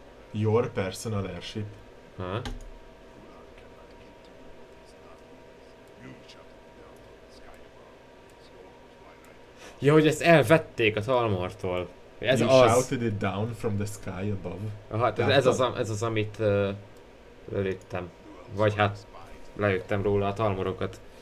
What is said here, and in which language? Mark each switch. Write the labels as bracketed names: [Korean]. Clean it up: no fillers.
[English] Your personal airship. Ha? [Hungarian] Jó, ja, hogy ezt elvették a Thalmortól. Ez [English] you [Hungarian] az. [English] Shouted it down from the sky above. [Hungarian] Hát ez az, amit lőttem. Vagy hát lejöttem róla a Thalmorokat.